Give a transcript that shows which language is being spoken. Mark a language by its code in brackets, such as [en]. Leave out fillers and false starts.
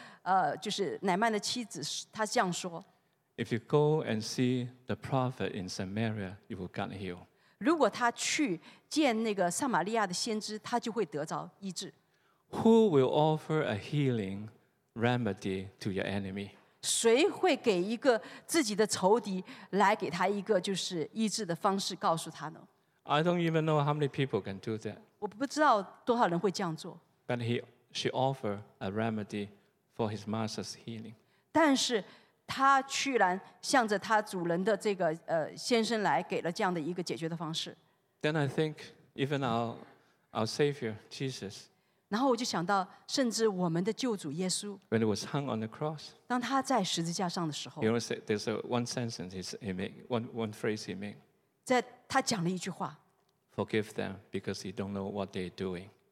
[zh] 但是这个小女孩跟她的这个就是乃曼的妻子，她这样说。 [en] If you go and see the prophet in Samaria, you will get healed. [zh] 如果她去见那个撒玛利亚的先知，她就会得着医治。 [en] Who will offer a healing remedy to your enemy? [zh] 谁会给一个自己的仇敌来给他一个就是医治的方式，告诉他呢？ [en] I don't even know how many people can do that. [zh] 我不知道多少人会这样做。 [en] But she offered a remedy for his master's healing. [zh] 但是他居然向着他主人的这个先生来给了这样的一个解决的方式。 [en] Then I think even our Savior Jesus. [zh] 然后我就想到，甚至我们的救主耶稣。 [en] When he was hung on the cross. [zh] 当他在十字架上的时候。 [en] You know, there's a one sentence he made, one phrase he made. [zh] 在他讲了一句话。 [en] Forgive them because they don't know what they're doing.